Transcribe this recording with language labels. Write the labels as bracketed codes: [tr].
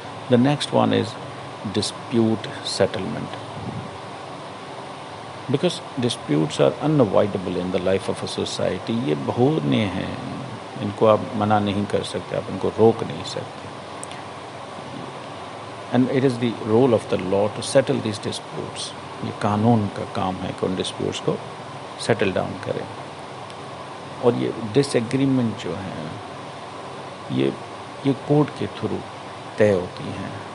[en] The next one is dispute settlement, because disputes are unavoidable in the life of a society. [ur] یہ بہونے ہیں, ان کو آپ منع نہیں کر سکتے, آپ ان کو روک نہیں سکتے. [en] And it is the rule of the law to settle these disputes. [ur] یہ قانون کا کام ہے کہ ان ڈسپیوٹس کو سیٹل ڈاؤن کریں. اور یہ ڈس ایگریمنٹ جو ہیں یہ کورٹ کے تھرو طے ہوتی ہیں.